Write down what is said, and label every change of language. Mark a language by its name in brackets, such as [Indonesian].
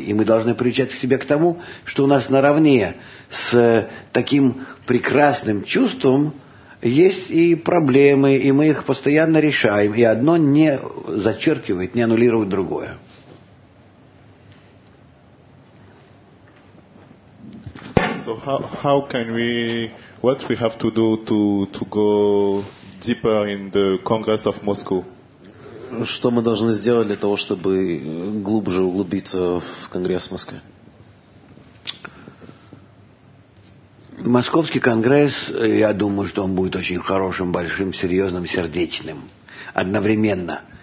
[Russian] И мы должны приучать к себе к тому, что у нас наравне с таким прекрасным чувством есть и проблемы, и мы их постоянно решаем. И одно не зачеркивает, не аннулирует другое. [English] So how can we, what we have to do to go deeper in the Congress of Moscow? [Russian] Что мы должны сделать для того, чтобы глубже углубиться в Конгресс в Москве? Московский конгресс, я думаю, что он будет очень хорошим, большим, серьезным, сердечным. Одновременно.